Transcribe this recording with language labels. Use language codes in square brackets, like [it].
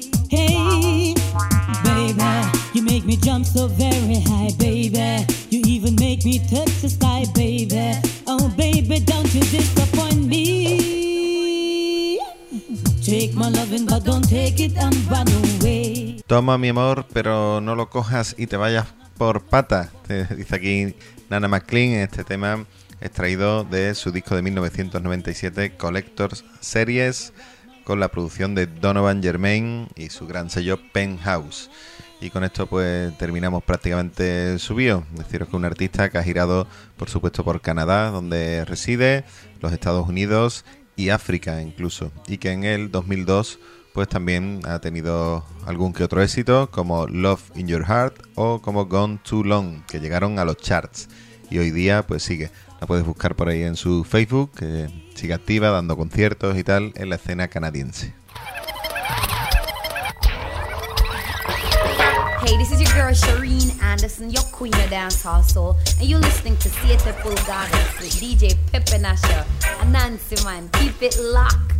[en] Hey, baby, you make me jump so very high, baby. You even make me touch the sky, baby. Oh, baby, don't you disappoint me. Take my loving, but don't take it and run away. [es] Toma mi amor, pero no lo cojas y te vayas por pata, dice aquí Nana McLean. Este tema extraído de su disco de 1997, Collectors Series, con la producción de Donovan Germain y su gran sello Penthouse. Y con esto pues terminamos prácticamente su bio. Deciros que un artista que ha girado, por supuesto, por Canadá, donde reside, los Estados Unidos y África incluso, y que en el 2002 pues también ha tenido algún que otro éxito, como Love in Your Heart o como Gone Too Long, que llegaron a los charts. Y hoy día, pues sigue. La puedes buscar por ahí en su Facebook, que sigue activa, dando conciertos y tal, en la escena canadiense. [en] Hey, this is your girl Shireen Anderson, your queen of dancehall soul, and you're listening to Siete Pulgadas with DJ Pippin Asher. Anansi, man, keep it locked.